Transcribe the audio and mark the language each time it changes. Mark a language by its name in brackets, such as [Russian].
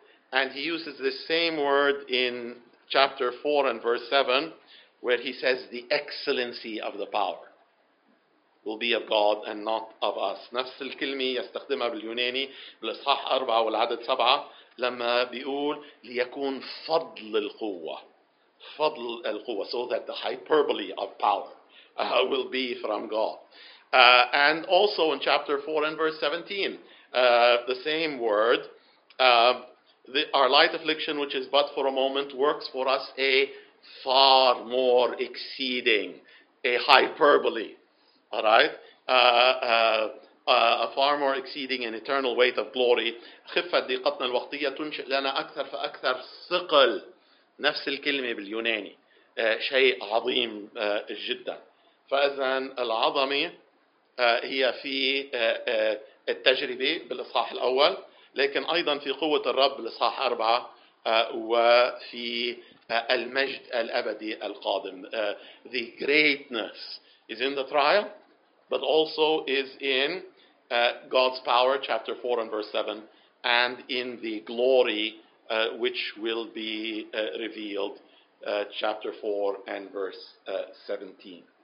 [English] And he uses the same word in chapter 4 and verse 7, where he says the excellency of the power will be of God and not of us. [Arabic] نفس الكلمة يستخدمها باليوناني بالإصحاح 4 والعدد 7 لما بيقول ليكون فضل القوة. فضل القوة. [English] So that the hyperbole of power will be from God. And also in chapter 4 and verse 17, the same word, our light affliction, which is but for a moment, works for us a far more exceeding, a hyperbole. All right? a far more exceeding and eternal weight of glory. [Arabic] خفة ضيقتنا الوقتية تنشئ لنا أكثر فأكثر ثقل. نفس الكلمة باليوناني. شيء عظيم جدا. فإذا العظمة هي في التجربة بالإصحاح الأول، لكن أيضا في قوة الرب بالإصحاح أربعة، وفي المجد الأبدي القادم. [English] The greatness is in the trial, but also is in God's power, chapter 4 and verse 7, and in the glory which will be revealed, chapter 4 and verse 17.